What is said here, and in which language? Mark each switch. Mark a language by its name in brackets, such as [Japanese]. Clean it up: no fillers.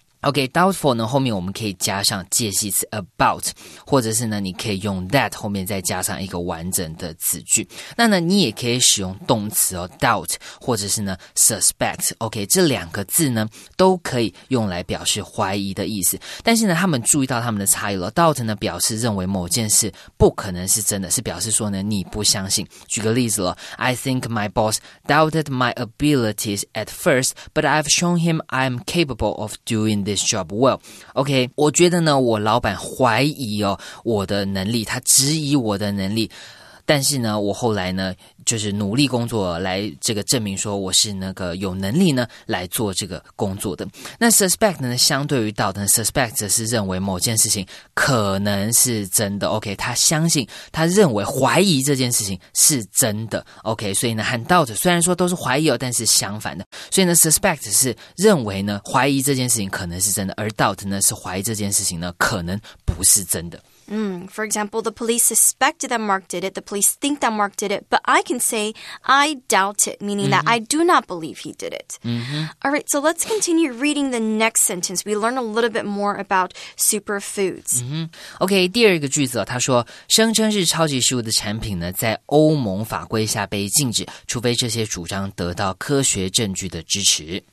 [Chinese] Okay, doubtful 呢，后面我们可以加上介系词 about, 或者是呢，你可以用 that 后面再加上一个完整的子句。那呢，你也可以使用动词哦 ,doubt, 或者是呢 ,suspect, okay, 这两个字呢，都可以用来表示怀疑的意思。但是呢，他们注意到他们的差异了。Doubt 呢，表示认为某件事不可能是真的，是表示说呢，你不相信。举个例子了 [English] ,I think my boss doubted my abilities at first, but I've shown him I'm capable of doing this job well. [Chinese] Okay, 我觉得呢，我老板怀疑哦，我的能力，他质疑我的能力，但是呢，我后来呢，就是努力工作来这个证明说我是那个有能力呢来做这个工作的。那 suspect 呢，相对于 doubt 呢 ，suspect 则是认为某件事情可能是真的。 OK， 他相信，他认为怀疑这件事情是真的。 OK， 所以呢，和 doubt 虽然说都是怀疑哦，但是相反的。所以呢 ，suspect 是认为呢怀疑这件事情可能是真的，而 doubt 呢是怀疑这件事情呢可能不是真的。 [English] For example, the police suspected that Mark did it. The police think that Mark did it. But I can say, I doubt it, meaning that I do not believe he did it. Mm-hmm. All right, so let's continue reading the next sentence. We learn a little bit more about superfoods. Mm-hmm. [Chinese] Okay, 第二个句子，他说，声称是超级食物的产品呢，在欧盟法规下被禁止，除非这些主张得到科学证据的支持。